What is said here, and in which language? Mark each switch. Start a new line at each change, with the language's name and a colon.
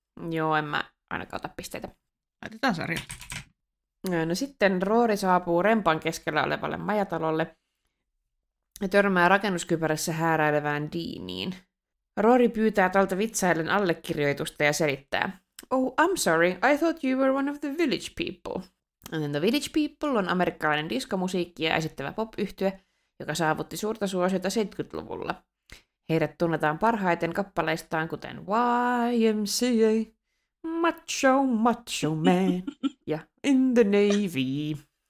Finnish: joo, en mä ainakaan ota pisteitä. Laitetaan sarja. No sitten Rory saapuu rempan keskellä olevalle majatalolle ja törmää rakennuskypärässä hääräilevään Deaniin. Rory pyytää tältä vitsaillen allekirjoitusta ja selittää.
English: Oh, I'm sorry, I thought you were one of the village people.
Finnish: And the village people on amerikkalainen diskomusiikkia esittävä pop-yhtye, joka saavutti suurta suosiota 70-luvulla. Heidät tunnetaan parhaiten kappaleistaan kuten YMCA.
English: Macho, macho man. Ja in the navy.